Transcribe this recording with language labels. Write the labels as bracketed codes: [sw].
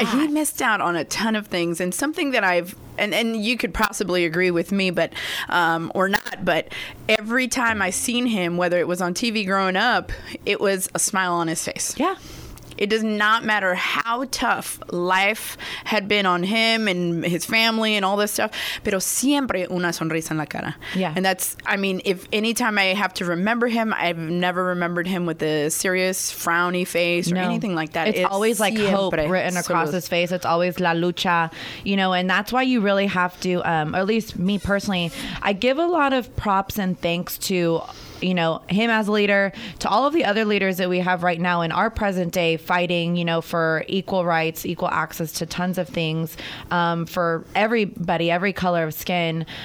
[en] He missed out on a ton of things. And something that I've, and you could possibly agree with me, but or not, but every time I seen him, whether it was on TV growing up, it was a smile on his face. Yeah. It does not matter how tough life had been on him and his family and all this stuff. [es] Pero siempre una sonrisa en la cara. [en] Yeah. And that's, I mean, if any time I have to remember him, I've never remembered him with a serious frowny face or anything like that. It's always like hope written across his face. It's always [es] la lucha, [en] you know, and that's why you really have to, at least me personally, I give a lot of props and thanks to, you know, him as a leader, to all of the other leaders that we have right now in our present day fighting, you know, for equal rights, equal access to tons of things, for everybody, every color of skin.